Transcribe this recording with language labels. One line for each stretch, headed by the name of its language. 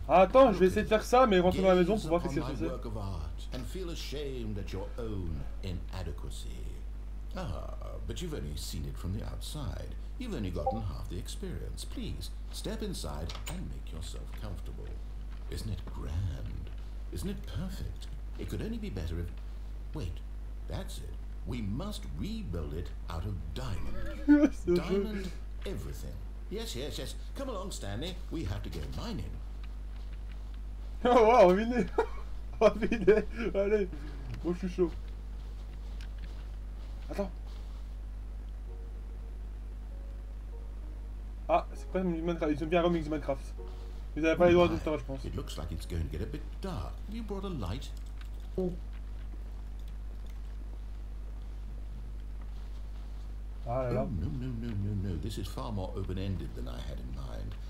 French: Attends, je vais essayer de faire ça, mais rentrer dans la maison pour voir qu'est-ce que c'est.
English: Work of art, and feel ashamed at your own inadequacy. Ah, but you've only seen it from the outside. You've only gotten half the experience. Please, step inside and make yourself comfortable. Isn't it grand? Isn't it perfect? It could only be better if... Wait, that's it. We must rebuild it out of diamond. Diamond everything. Yes, yes, yes. Come along, Stanley. We have to go mining. Oh, wow, miner. Oh, miner.
French: Allez. Bon, je suis chaud. Attends. Ah, c'est pas Minecraft, ils ont bien remis Minecraft. Ils avaient pas les droits de ça, je pense.
English: It looks like it's going to get a bit dark. Have you brought a light? Oh.
French: Ah là là.
English: Oh, no, no, no, no, no. This is far more open-ended than I had in mind.